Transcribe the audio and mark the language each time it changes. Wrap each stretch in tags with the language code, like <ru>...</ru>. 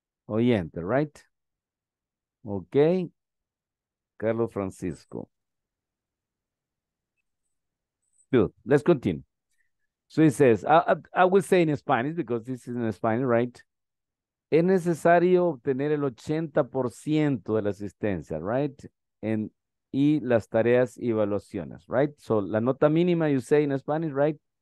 <en>Oyente, right? Okay. Carlos Francisco. Good. Let's continue. So he says, I will say in Spanish because this is in Spanish, right?</en> <es>Es necesario obtener el 80% de la asistencia, right? En, y las tareas y evaluaciones, right?</es> <en>So,</en> <es>la nota mínima,</es> <en>you say in Spanish, right?</en>